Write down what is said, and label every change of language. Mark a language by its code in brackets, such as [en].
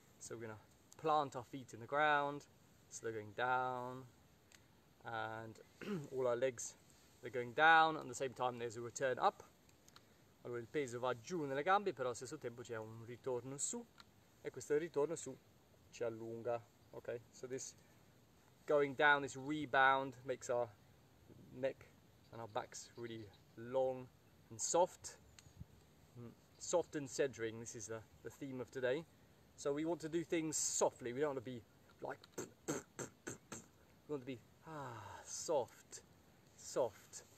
[en] So we're gonna plant our feet in the ground, so they're going down, and all our legs are going down, and at the same time there's a return up. [it] Allora il peso va giù nelle gambe, però allo stesso tempo c'è un ritorno su, e questo ritorno su ci allunga. [en] Okay, so this going down, this rebound makes our neck and our backs really long and soft. Soft and centering, this is the theme of today. So we want to do things softly. We don't want to be like, we want to be soft, soft.